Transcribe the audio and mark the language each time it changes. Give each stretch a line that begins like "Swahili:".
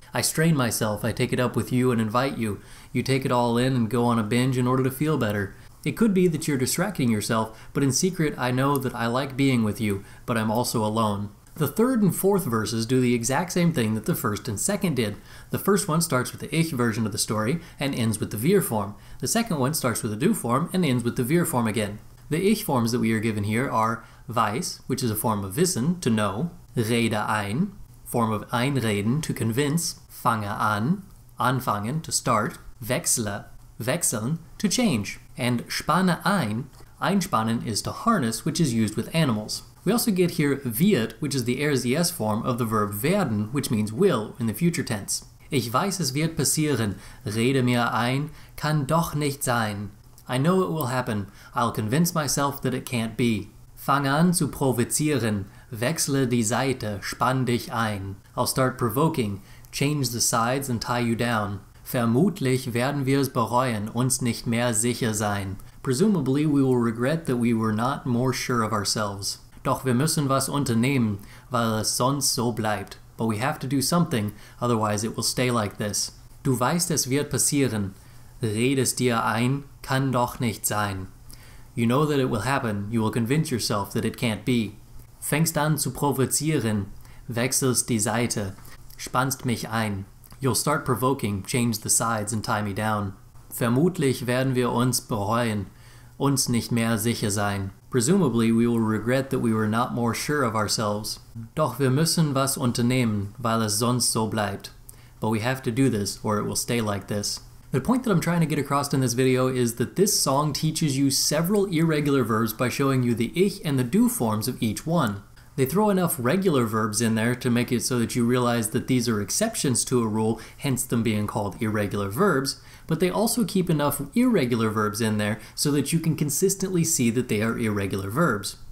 English: I strain myself, I take it up with you and invite you. You take it all in and go on a binge in order to feel better. It could be that you're distracting yourself, but in secret I know that I like being with you, but I'm also alone. The third and fourth verses do the exact same thing that the first and second did. The first one starts with the ich version of the story and ends with the wir form. The second one starts with the du form and ends with the wir form again. The ich forms that we are given here are weiß, which is a form of wissen, to know, rede ein, form of einreden, to convince, fange an, anfangen, to start, wechsle, wechseln, to change, and spanne ein, einspannen is to harness, which is used with animals. We also get here wird, which is the RZS form of the verb werden, which means will, in the future tense.
German: Ich weiß, es wird passieren, rede mir ein, kann doch nicht sein.
English: I know it will happen, I'll convince myself that it can't be.
German: Fang an zu provozieren, wechsle die Seite, spann dich ein.
English: I'll start provoking, change the sides and tie you down.
German: Vermutlich werden wir es bereuen, uns nicht mehr sicher sein.
English: Presumably we will regret that we were not more sure of ourselves.
German: Doch wir müssen was unternehmen, weil es sonst so bleibt.
English: But we have to do something, otherwise it will stay like this.
German: Du weißt, es wird passieren. Redest dir ein, kann doch nicht sein.
English: You know that it will happen, you will convince yourself that it can't be.
German: Fängst an zu provozieren, wechselst die Seite, spannst mich ein.
English: You'll start provoking, change the sides and tie me down.
German: Vermutlich werden wir uns bereuen, uns nicht mehr sicher sein.
English: Presumably we will regret that we were not more sure of ourselves.
German: Doch wir müssen was unternehmen, weil es sonst so bleibt.
English: But we have to do this, or it will stay like this. The point that I'm trying to get across in this video is that this song teaches you several irregular verbs by showing you the ich and the du forms of each one. They throw enough regular verbs in there to make it so that you realize that these are exceptions to a rule, hence them being called irregular verbs, but they also keep enough irregular verbs in there so that you can consistently see that they are irregular verbs.